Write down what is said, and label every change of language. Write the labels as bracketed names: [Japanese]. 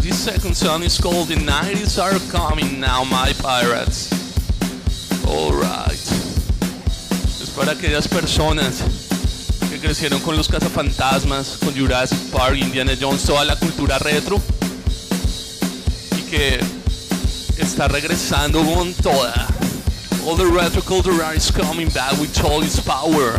[English] This second song is called The 90s Are Coming Now, My Pirates. Alright. [Spanish] Es para aquellas personas que crecieron con los cazafantasmas, con Jurassic Park, Indiana Jones, toda la cultura retro, y que está regresando con toda. [English] All the retro culture is coming back with all its power.